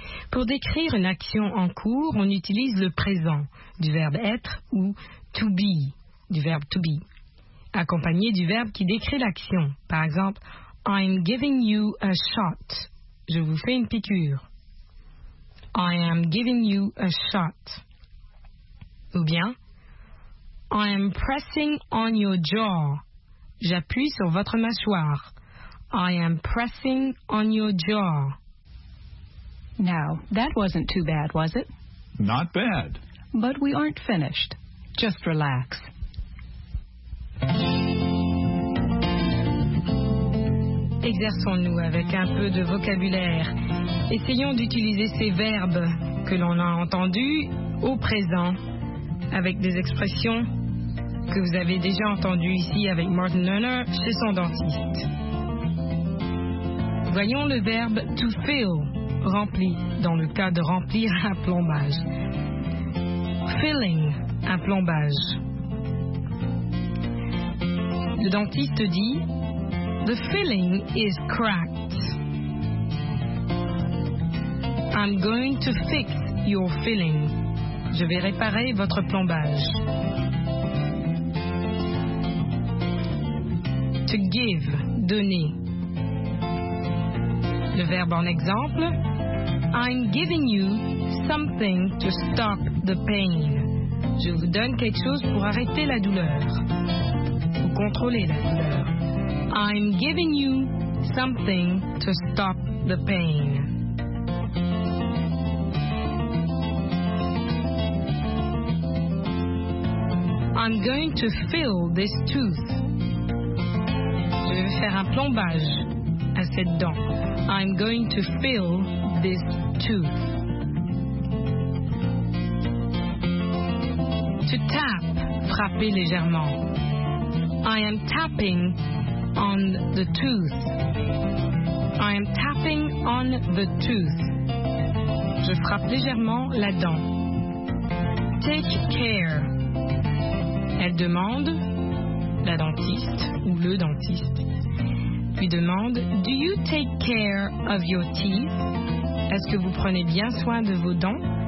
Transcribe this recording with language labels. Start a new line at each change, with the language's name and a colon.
French: Pour décrire une action en cours, on utilise le présent du verbe être ou to be, du verbe to be, accompagné du verbe qui décrit l'action. Par exemple,
English: I'm giving you a shot.
French: Je vous fais une piqûre.
English: I am giving you a shot.
French: Ou bien,
English: I am pressing on your jaw.
French: J'appuie sur votre mâchoire.
English: I am pressing on your jaw. Now, that wasn't too bad, was it? Not bad. But we aren't finished. Just relax.
French: Exerçons-nous avec un peu de vocabulaire. Essayons d'utiliser ces verbes que l'on a entendus au présent avec des expressions que vous avez déjà entendues ici avec Martin Lerner chez son dentiste. Voyons le verbe to fill, rempli, dans le cas de remplir un plombage. Filling, un plombage. Le dentiste dit,
English: the filling is cracked. I'm going to fix your filling.
French: Je vais réparer votre plombage.
English: To give, donner.
French: Le verbe en exemple,
English: I'm giving you something to stop the pain.
French: Je vous donne quelque chose pour arrêter la douleur. Pour contrôler la douleur.
English: I'm giving you something to stop the pain. I'm going to fill this tooth.
French: Je vais faire un plombage à cette dent.
English: I'm going to fill this tooth.
French: To tap, frapper légèrement.
English: I am tapping on the tooth. I am tapping on the tooth.
French: Je frappe légèrement la dent.
English: Take care.
French: Elle demande, la dentiste ou le dentiste, puis demande,
English: do you take care of your teeth?
French: Est-ce que vous prenez bien soin de vos dents?